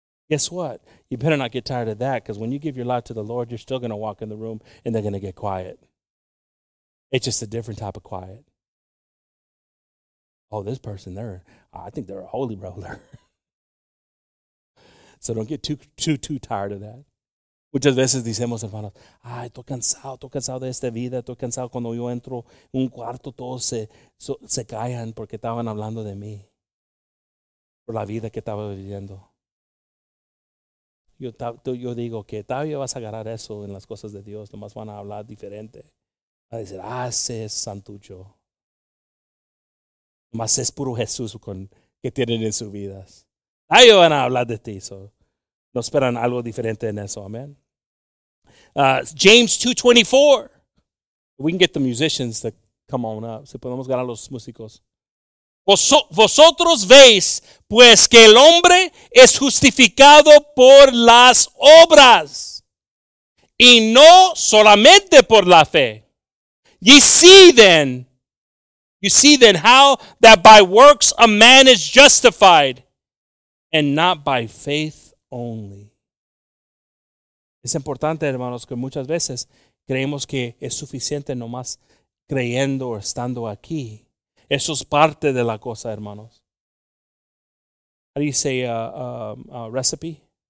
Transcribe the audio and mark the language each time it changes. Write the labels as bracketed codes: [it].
[en] Guess what? You better not get tired of that, because when you give your life to the Lord, you're still going to walk in the room and they're going to get quiet. It's just a different type of quiet. Oh, this person, I think they're a holy roller. So don't get too tired of that. [es] Muchas veces decimos, hermanos, ay, estoy cansado de esta vida, estoy cansado cuando yo entro un cuarto, todos se callan porque estaban hablando de mí, por la vida que estaba viviendo. Yo digo que todavía vas a agarrar eso en las cosas de Dios, nomás van a hablar diferente. Van a decir, ah, ese es santucho. Más es puro Jesús que tienen en sus vidas. Ahí van a hablar de ti. So no esperan algo diferente en eso. Amén. [en] James 2:24. We can get the musicians to come on up. [es] Si podemos ganar a los músicos. Vosotros veis, pues, que el hombre es justificado por las obras. Y no solamente por la fe. [en] You see then how that by works a man is justified, and not by faith only. [es] Es importante, hermanos, que muchas veces creemos que es suficiente nomás creyendo o estando aquí. Eso es parte de la cosa, hermanos. [en] How do you say recipe?